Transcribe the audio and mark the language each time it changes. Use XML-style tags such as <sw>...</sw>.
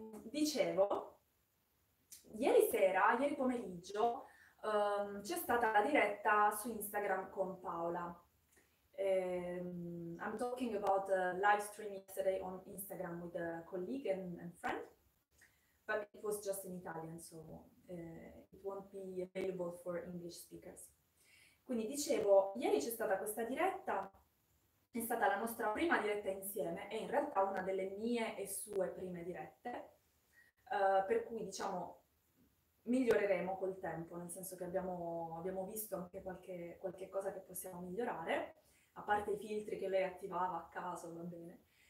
<it>Dicevo, ieri pomeriggio c'è stata la diretta su Instagram con Paola.</it> <en>I'm talking about the live stream yesterday on Instagram with a colleague and friend, but it was just in Italian, so it won't be available for English speakers.</en> <it>Quindi dicevo, ieri c'è stata questa diretta. È stata la nostra prima diretta insieme e in realtà una delle mie e sue prime dirette, per cui diciamo miglioreremo col tempo, nel senso che abbiamo visto anche qualche cosa che possiamo migliorare, a parte i filtri che lei attivava a caso, va bene.</it>